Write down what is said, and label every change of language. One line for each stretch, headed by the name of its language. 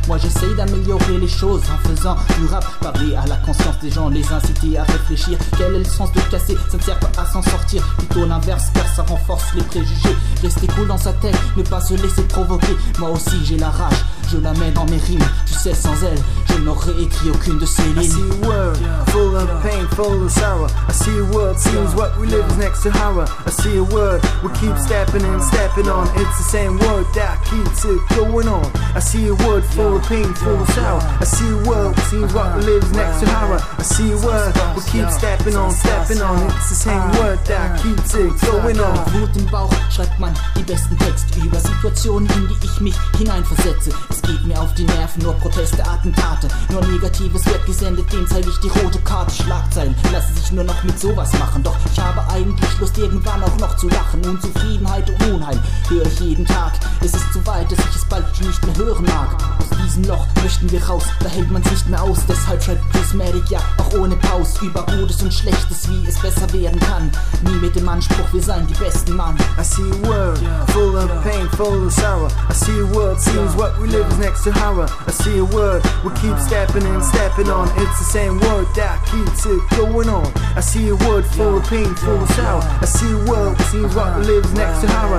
French: Moi j'essaye d'améliorer les choses en faisant du rap. Parler à la conscience des gens, les inciter à réfléchir. Quel est le sens de casser? Ça ne sert pas à s'en sortir. Plutôt l'inverse, car ça renforce les préjugés. Rester cool dans sa tête, ne pas se laisser provoqué. Moi aussi j'ai la rage, je la mets dans mes rimes. Tu sais, sans elle, je n'aurais écrit aucune de ces lignes.
English: I see a world, full of pain, full of sour. I see a world, seems what we live is next to horror. I see a world, we keep stepping and stepping on. It's the same world that keeps it going on. I see a world, full of pain, full of sour. I see a world, seems what we live is next to horror. I see a world, we keep stepping on, stepping on. It's the same world that keeps it going on.
German: Wut im Bauch, schreibt man die besten Texte über Situationen, in die ich mich hineinversetze. Es geht mir auf die Nerven, nur Proteste, Attentate. Nur Negatives wird gesendet, dem zeige ich die rote Karte. Schlagzeilen lassen sich nur noch mit sowas machen. Doch ich habe eigentlich Lust, irgendwann auch noch zu lachen. Unzufriedenheit und Unheil höre ich jeden Tag. Es ist zu weit, dass ich es bald nicht mehr hören mag. Aus diesem Loch möchten wir raus, da hält man's nicht mehr aus. Deshalb schreibt Prismatic, ja, auch ohne Pause. Über Gutes und Schlechtes, wie es besser werden kann. Nie mit dem Anspruch, wir seien die besten Mann.
English: I see a world full of pain, full of sour. I see a world, seems what we live is next to horror. I see a world, we keep stepping and stepping on. It's the same world that keeps it going on. I see a world full of pain, full of sour. I see a world, seems what we live is next to horror.